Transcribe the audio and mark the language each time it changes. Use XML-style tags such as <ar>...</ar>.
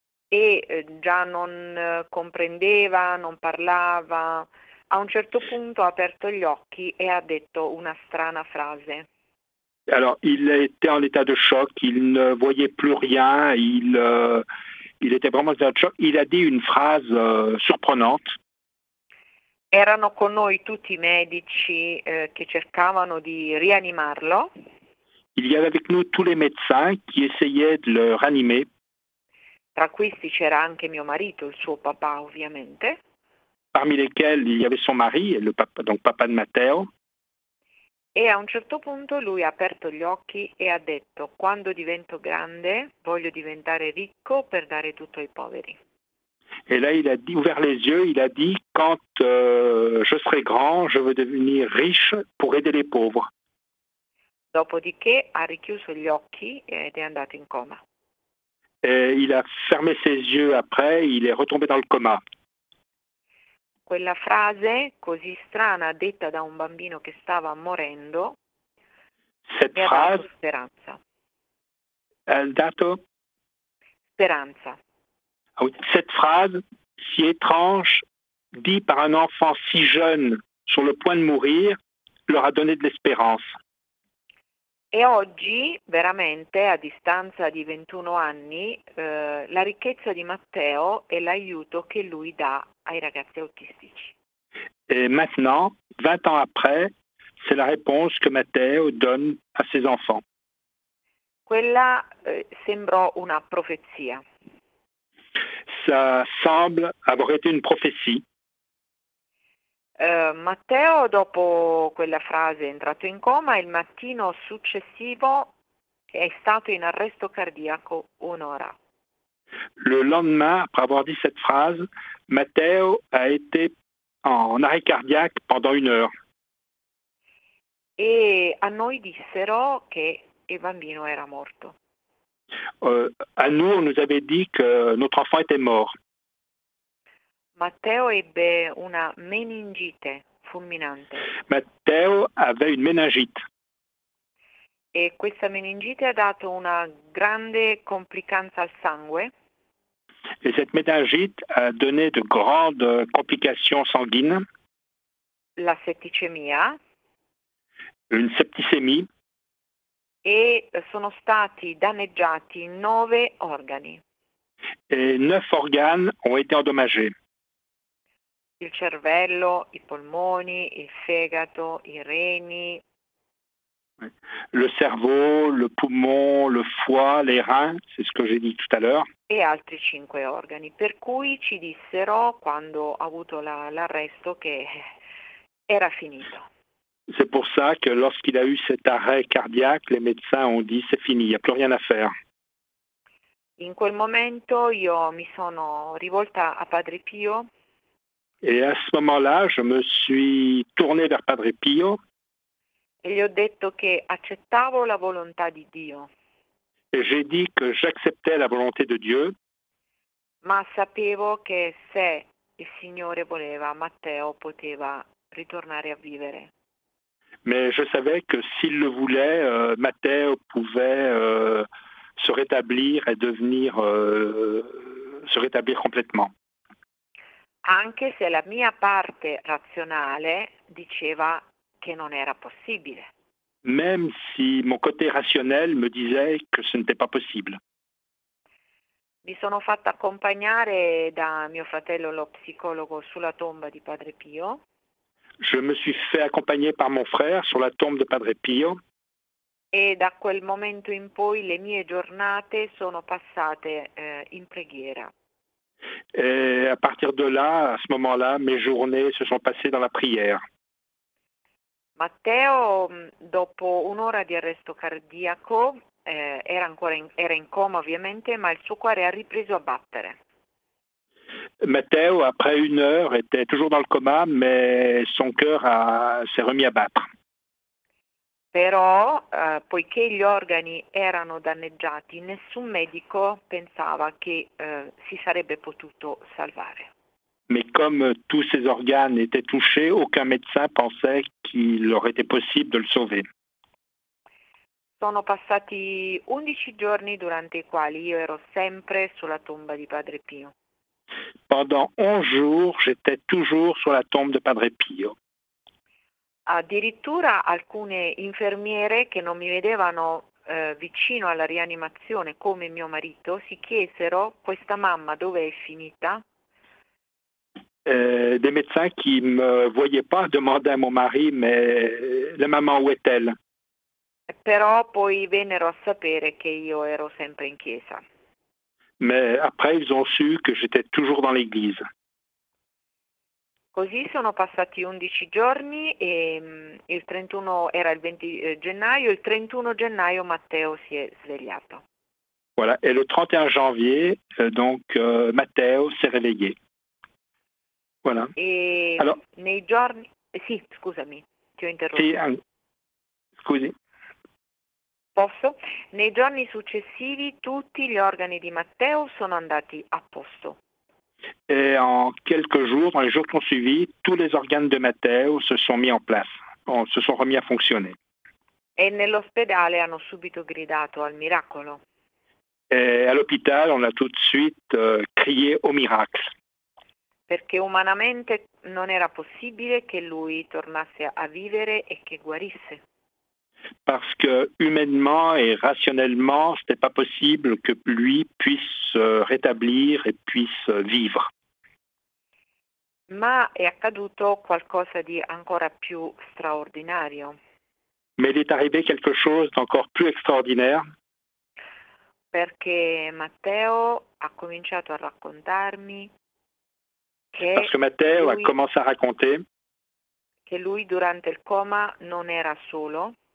<it>e già non comprendeva, non parlava. A un certo punto ha aperto gli occhi e ha detto una strana frase.</it> <fr>Alors, il était en état de choc, il ne voyait plus rien, il était vraiment en état de choc. Il a dit une phrase surprenante.</fr> <it>Erano con noi tutti i medici che cercavano di rianimarlo.</it> <fr>Il y avait avec nous tous les médecins qui essayaient de le ranimer.</fr> <it>Tra questi c'era anche mio marito, il suo papà, ovviamente.</it> <fr>Parmi lesquels il y avait son mari, le papa, donc papa de Matteo.</fr> <it>E a un certo punto lui ha aperto gli occhi e ha detto: "Quando divento grande, voglio diventare ricco per dare tutto ai poveri."</it> <fr>Et là, il a dit, ouvert les yeux, il a dit, quand je serai grand, je veux devenir riche pour aider les pauvres.</fr> <it>Dopodiché ha richiuso gli occhi ed è andato in coma.</it> <fr>Et il a fermé ses yeux après, il est retombé dans le coma.</fr> <it>Quella frase così strana detta da un bambino che stava morendo</it> <fr>Cette</fr> <it>mi ha dato</it> <fr>phrase,</fr> <it>speranza.</it> <fr>elle date.</fr> <it>Speranza.</it> <fr>Ah oui. Cette phrase si étrange, dite par un enfant si jeune sur le point de mourir, leur a donné de l'espérance.</fr> <it>E oggi, veramente, a distanza di 21 anni, la ricchezza di Matteo è l'aiuto che lui dà ai ragazzi autistici.</it> <fr>Et maintenant, 20 ans après, c'est la réponse que Matteo donne à ses enfants.</fr> <it>Quella, sembrò una profezia.</it> <fr>Ça semble avoir été une prophétie.</fr> <it>Matteo, dopo quella frase, è entrato in coma e il mattino successivo è stato in arresto cardiaco un'ora.</it> <fr>Le lendemain, après avoir dit cette phrase, Matteo a été en arrêt cardiaque pendant 1 heure.</fr> <it>E a noi dissero che il bambino era morto.</it> <fr>À nous, on nous avait dit que notre enfant était mort.</fr> <it>Matteo ebbe una meningite fulminante.</it> <fr>Matteo avait une méningite.</fr> <it>E questa meningite ha dato una grande complicanza al sangue.</it> <fr>Et cette méningite a donné de grandes complications sanguines,</fr> <it>La setticemia.</it> <fr>une septicémie.</fr> <it>E sono stati danneggiati 9 organi.</it> <fr>Et 9 organes ont été endommagés.</fr> <it>Il cervello, i polmoni, il fegato, i reni.</it> <fr>Le cerveau, le poumon, le foie, les reins, c'est ce que j'ai dit tout à l'heure.</fr> <it>E altri 5 organi. Per cui ci dissero, quando ho avuto l'arresto, che era finito.</it> <fr>C'est pour ça que lorsqu'il a eu cet arrêt cardiaque, les médecins ont dit c'est fini, il n'y a plus rien à faire.</fr> <it>In quel momento io mi sono rivolta a Padre Pio.</it> <fr>Et à ce moment-là, je me suis tourné vers Padre Pio.</fr> <it>Et gli ho detto che accettavo la volontà di Dio.</it> <fr>Et j'ai dit que j'acceptais la volonté de Dieu.</fr> <it>Ma sapevo che se il Signore voleva, Matteo poteva ritornare a vivere.</it> <fr>Mais je savais que s'il le voulait, Matteo pouvait se rétablir et devenir se rétablir complètement.</fr> <it>Anche se la mia parte razionale diceva che non era possibile.</it> <fr>Même si mon côté rationnel me disait que ce n'était pas possible.</fr> <it>Mi sono fatta accompagnare da mio fratello lo psicologo sulla tomba di Padre Pio.</it> <fr>Je me suis fait accompagner par mon frère sur la tombe de Padre Pio.</fr> <it>E da quel momento in poi le mie giornate sono passate in preghiera.</it> <fr>Et à partir de là, à ce moment-là, mes journées se sont passées dans la prière.</fr> <it>Matteo, dopo un'ora di arresto cardiaco, era in coma ovviamente, ma il suo cuore ha ripreso a battere.</it> <fr>Matteo, après une heure, était toujours dans le coma, mais son cœur s'est remis à battre.</fr> <it>Però, poiché gli organi erano danneggiati, nessun medico pensava che si sarebbe potuto salvare.</it> <fr>Mais comme tous ses organes étaient touchés, aucun médecin pensait qu'il aurait été possible de le sauver.</fr> <it>Sono passati 11 giorni durante i quali io ero sempre sulla tomba di Padre Pio.</it> <fr>Pendant 11 jours, j'étais toujours sur la tombe de Padre Pio.</fr> <it>Addirittura alcune infermiere che non mi vedevano vicino alla rianimazione come mio marito si chiesero: questa mamma dove è finita?</it> <fr>Des médecins qui ne me voyaient pas demandaient à mon mari, mais la maman où est-elle?</fr> <it>Però poi vennero a sapere che io ero sempre in chiesa.</it> <fr>Mais après ils ont su que j'étais toujours dans l'église.</fr> <it>Così sono passati 11 giorni e il 31 era il 20 gennaio, il 31 gennaio Matteo si è svegliato.</it> <fr>Voilà, et le 31 janvier, Matteo s'est réveillé. Voilà. Et alors,</fr> <it>nei giorni sì, scusami, ti ho interrotto. Sì, scusi. Posso? Nei giorni successivi tutti gli organi di Matteo sono andati a posto.</it> <fr>Et en quelques jours, dans les jours qui ont suivi, tous les organes de Matteo se sont mis en place, se sont remis à fonctionner.</fr> <it>Et nell'ospedale hanno subito gridato al miracolo.</it> <fr>Et à l'hôpital, on a tout de suite crié au miracle.</fr> <it>Perché umanamente non era possibile che lui tornasse a vivere e che guarisse.</it> <fr>Parce que humainement et rationnellement, ce n'était pas possible que lui puisse se rétablir et puisse vivre.</fr> <it>Ma è accaduto qualcosa di ancora più straordinario.</it> <fr>Mais il est arrivé quelque chose d'encore plus extraordinaire.</fr> <it>Perché Matteo ha cominciato a raccontarmi che</it> <fr>parce que Matteo lui, a commencé à raconter</fr> <it>che lui durante il coma non era solo.</it>